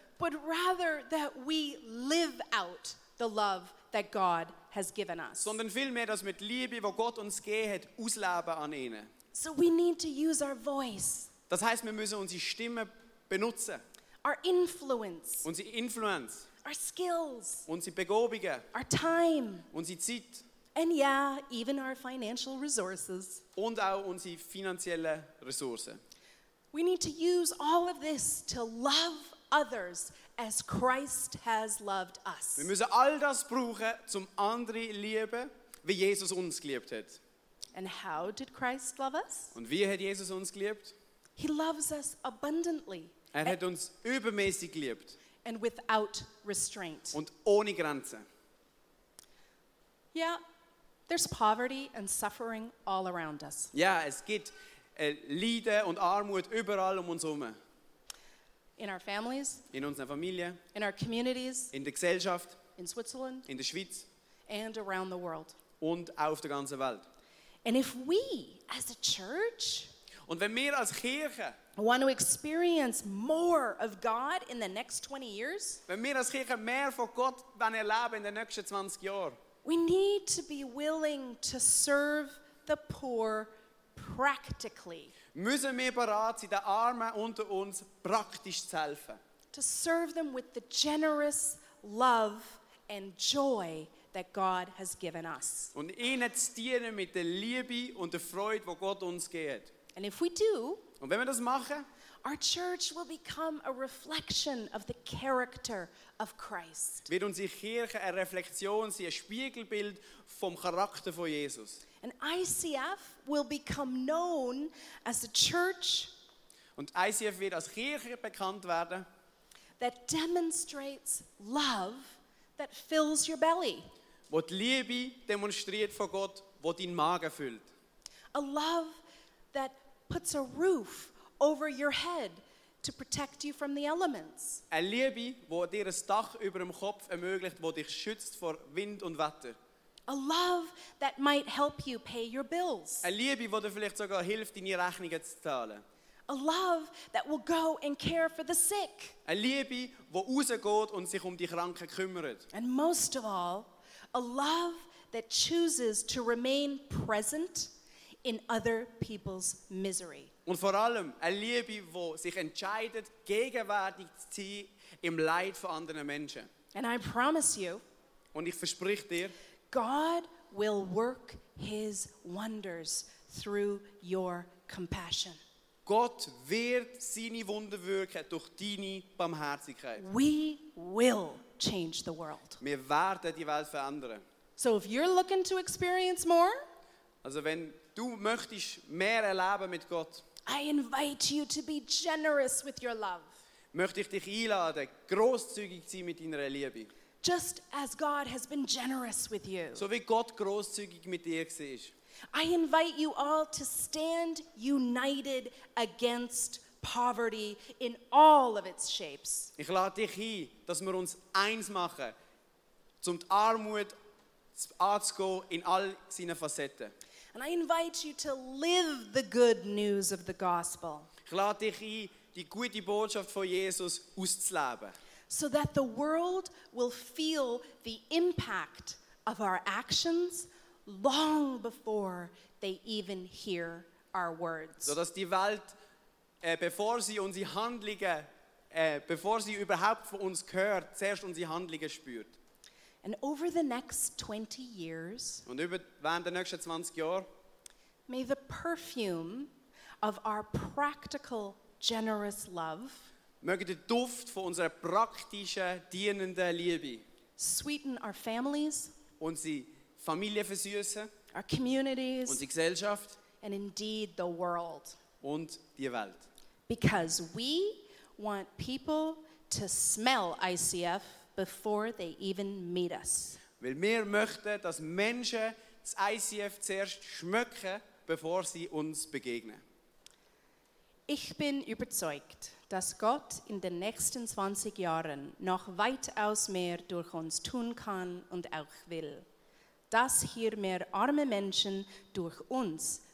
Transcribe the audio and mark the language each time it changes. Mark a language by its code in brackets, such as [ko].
[en] but rather that we live out the love that God has given us. [de] Sondern vielmehr, dass wir die Liebe, die Gott uns gegeben hat, ausleben an ihnen. [en] So we need to use our voice. [de] Das heisst, wir müssen unsere Stimme benutzen. [en] Our influence. [de] Unsere Influence. [en] Our skills. [de] Unsere Begabungen. [en] Our time. [de] Unsere Zeit. [en] And yeah, even our financial resources. [de] Und auch unsere finanziellen Ressourcen. [en] We need to use all of this to love others as Christ has loved us. [de] Wir müssen all das brauchen, zum andere lieben, wie Jesus uns geliebt hat. [en] And how did Christ love us? [de] Und wie hat Jesus uns geliebt? [en] He loves us abundantly. [de] Er hat uns übermäßig geliebt. [en] And without restraint. [de] Und ohne Grenzen. [en] Yeah, there's poverty and suffering all around us. [de] Ja, es gibt Leiden und Armut überall um uns herum. [en] In our families. [de] In unserer Familie. [en] In our communities. [de] In der Gesellschaft. [en] In Switzerland. [de] In der Schweiz. [en] And around the world. [de] Und auf der ganzen Welt. [en] And if we, as a church, [de] und wenn wir als Kirche [en] want to experience more of God in the next 20 years, [de] wenn wir als Kirche mehr von Gott wollen erleben in den nächsten 20 Jahren, [en] we need to be willing to serve the poor practically. [de] Müssen wir bereit sein, den Armen unter uns praktisch zu helfen. [en] To serve them with the generous love and joy that God has given us. [de] Und ihnen zu dienen mit der Liebe und der Freude, die Gott uns gibt. [en] And if we do, [de] und wenn wir das machen, [en] our church will become a reflection of the character of Christ. [de] Wird unsere Kirche eine Reflexion sein, ein Spiegelbild vom Charakter von Jesus. [en] And ICF will become known as a church. [de] Und ICF wird als Kirche bekannt werden. [en] That demonstrates love that fills your belly. [de] Wo die Liebe demonstriert von Gott, wo deinen Magen füllt. [en] A love that puts a roof over your head to protect you from the elements. [de] Eine Liebe, wo dir ein Dach über dem Kopf ermöglicht, wo dich schützt vor Wind und Wetter. [en] A love that might help you pay your bills. [de] Eine Liebe, wo dir vielleicht sogar hilft, deine Rechnungen zu zahlen. [en] A love that will go and care for the sick. [de] Eine Liebe, wo rausgeht und sich um die Kranken kümmert. [en] And most of all, a love that chooses to remain present in other people's misery. [de] Und vor allem eine Liebe, die sich entscheidet, gegenwärtig zu sein im Leid von anderen Menschen. [en] And I promise you, [de] und ich versprich dir, [en] God will work his wonders through your compassion. [de] Gott wird seine Wunder wirken durch deine Barmherzigkeit. [en] We will change the world. [de] Wir werden die Welt verändern. [en] So if you're looking to experience more, [de] also wenn du möchtest mehr erleben mit Gott, [en] I invite you to be generous with your love. [de] Möchte ich dich einladen, großzügig zu sein mit deiner Liebe. [en] Just as God has been generous with you. [de] So wie Gott großzügig mit dir war. [en] I invite you all to stand united against poverty in all of its shapes. [de] Ich lade dich ein, dass wir uns eins machen, um die Armut anzugehen in all seinen Facetten. [en] And I invite you to live the good news of the gospel. [de] Ich lade dich ein, die gute Botschaft von Jesus auszuleben. [en] So that the world will feel the impact of our actions long before they even hear our words. [de] So dass die Welt, bevor sie unsere Handlungen, bevor sie überhaupt von uns hört, zuerst unsere Handlungen spürt. [en] And over the next 20 years, [de] und über, während der nächsten 20 Jahre, [en] may the perfume of our practical, generous love, [de] möge der Duft von unserer praktischen, dienenden Liebe, [en] sweeten our families, [de] unsere Familie versüßen, [en] our communities, [de] unsere Gesellschaft, [en] and indeed the world, [de] und die Welt. [en] Because we want people to smell ICF before they even meet us. [de] Weil wir möchten, dass Menschen das ICF zuerst schmecken, bevor sie uns begegnen. Ich bin überzeugt, dass Gott in den nächsten 20 Jahren noch weitaus mehr durch uns tun kann und auch will. Dass hier mehr arme Menschen durch uns